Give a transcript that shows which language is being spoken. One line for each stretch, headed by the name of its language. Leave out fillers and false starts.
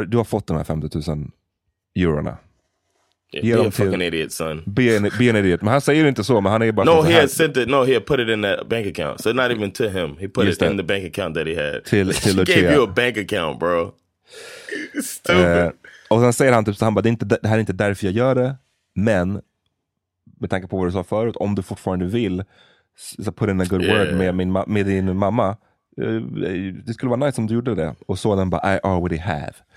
Swedish: Du har fått de här 50,000 eurona.
English: Yeah, be a fucking idiot, son. Be an idiot.
Swedish: Men han säger det inte så, men han är bara...
English: No, he had sent it. No, he had put it in that bank account. So not even to him. He put it in the bank account that he had.
Swedish: Till Lucia.
English: She gave you a bank account, bro. Stupid.
Swedish: Och sen säger han typ så, han bara, det här är inte därför jag gör det. Men, med tanke på vad du sa förut, om du fortfarande vill, så
English: put in a good word
Swedish: med din mamma. Det skulle vara nice om du gjorde det. Och så den bara,
English: I already have.